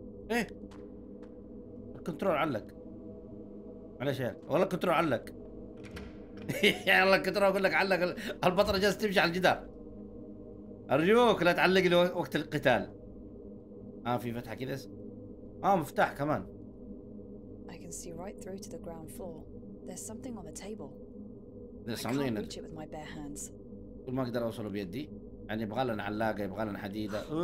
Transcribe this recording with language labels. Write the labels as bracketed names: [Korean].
[Arabic] ايه الكنترول علق. معليش يا والله الكنترول علق. يا الله الكنترول اقول لك علق. البطره جالسه تمشي على الجدار. ارجوك لا تعلق لي وقت القتال. في فتحه كذا. مفتاح كمان. [English] I can see right through to the ground floor. There's something on the table. There's something in it. I can't reach it with my bare hands. [Arabic] كل ما اقدر اوصله بيدي. يعني يبغى لنا علاقة، يبغى لنا حديدة.